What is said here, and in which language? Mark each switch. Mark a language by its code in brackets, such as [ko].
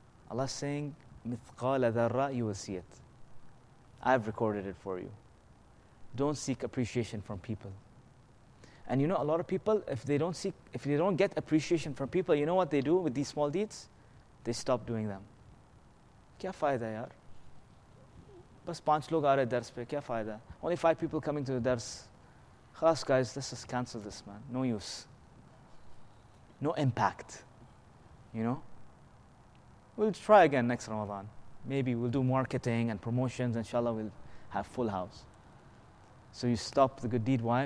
[en] Allah is saying, [ar] مِثْقَالَ ذَرَّ, [en] you will see it. I've recorded it for you. Don't seek appreciation from people. And you know, a lot of people, if they don't get appreciation from people, you know what they do with these small deeds? They stop doing them. [hi] क्या फ़ायदा यार? बस पंच लोग आरे दर्स पे, क्या फ़ायदा? [en] Only five people coming to the dars. Khas guys, let's just cancel this, man. No use. No impact. You know? We'll try again next Ramadan. Maybe we'll do marketing and promotions. Inshallah, we'll have full house. So you stop the good deed. Why?